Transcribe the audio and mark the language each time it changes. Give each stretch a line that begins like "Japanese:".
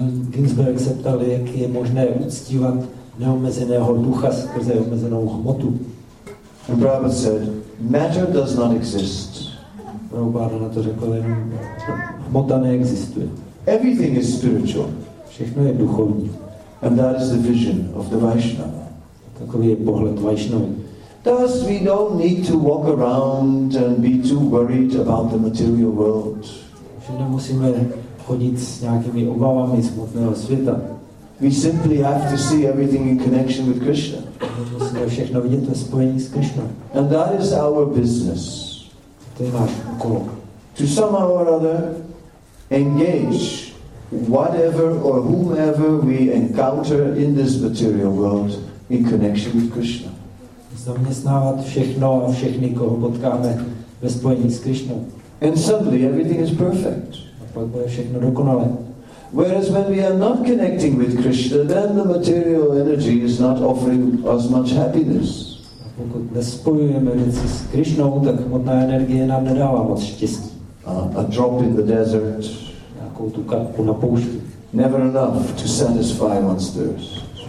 Czech: Ginsberg se ptal, jak je možné uctívat neomezeného ducha skrze omezenou hmotu.
English: And Prabhupada said, matter does not exist.
Czech: Prabhupada na to řekl, hmota neexistuje.
English: Everything is spiritual.
Czech: Všechno je duchovní.
English: And that is the vision of the Vaishnava.
Czech: Takový je pohled Vaishnavy.
English: Thus we don't need to walk around and be too worried about the material world.
Czech: Že nemusíme chodit s nějakými obavami z hmotného světa.
English: We simply have to see everything in connection with Krishna.
Czech: Musíme všechno vidět ve spojení s Krishna.
English: And that is our business.
Czech: To je náš úkol.
English: To somehow or other engage whatever or whomever we encounter in this material world in connection with Krishna.
Czech: Zaměstnávat všechno a všechny, koho potkáme ve spojení s Krishnou.
English: And suddenly everything is perfect.
Czech: A pak bude všechno dokonalé.
English: Whereas when we are not connecting with Krishna, then the material energy is not offering us much happiness.
Czech: A pokud nespojujeme věci s Krishnou, tak hmotná energie nám nedává moc štěstí.
English: A drop in the desert.
Czech: Nějakou tu kapku na poušti.
English: Never enough to satisfy one's thirst.